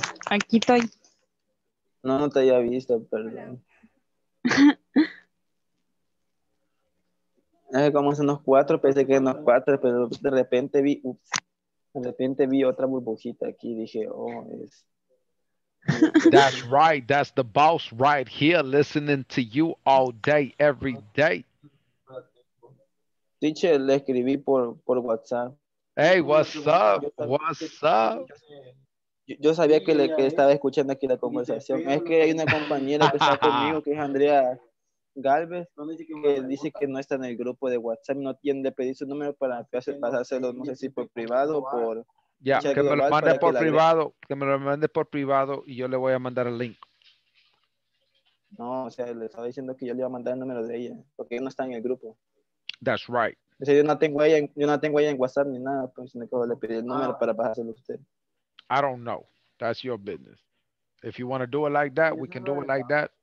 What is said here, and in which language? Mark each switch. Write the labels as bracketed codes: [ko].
[es] Aquí estoy. No te había visto, perdón. Como son los cuatro, pensé que eran los cuatro, pero de repente vi otra burbujita aquí, dije, oh, es... [en] That's right, that's the boss right here, listening to you all day, every day. [es] Teacher, le escribí por WhatsApp. [en] Hey, what's up? [es] Yo sabía que estaba escuchando aquí la conversación. Es que hay una compañera que está conmigo, que es Andrea... Galvez, que dice que no está en el grupo de WhatsApp, no tiene que pedir su número para pasárselo, no sé si por privado o por... Ya, yeah, que me lo mande por privado, que me lo mande por privado y yo le voy a mandar el link. No, o sea, le estaba diciendo que yo le iba a mandar el número de ella, porque ella no está en el grupo. [en] That's right. [es] O sea, yo no tengo ella en WhatsApp ni nada, pues sino que le pedí el número para pasárselo a usted. [en] I don't know. That's your business. If you want to do it like that, we can do it like that.